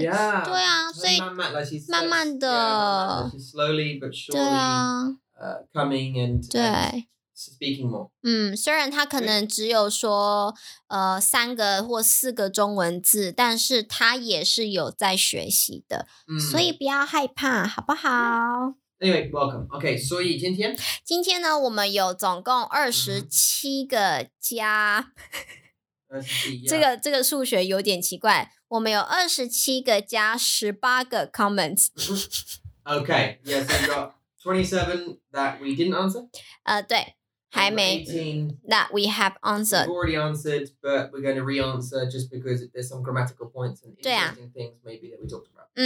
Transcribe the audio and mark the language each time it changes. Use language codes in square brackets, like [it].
[zh] 慢慢的， [en] slowly but surely coming and speaking more. [zh] 虽然他可能只有说三个或四个中文字，但所以不要害怕，好不好？ [en] Anyway, welcome. Okay, [zh] 所以今天呢，我们有总共27个加，这个数学有点奇怪，我们有27个加18个 [en] comments. Okay, yes, we got 27 that we didn't answer. [zh] 对。还没 [en] that we have answered. We've already answered, but we're going to re-answer just because there's some grammatical points and interesting things maybe that we talked about.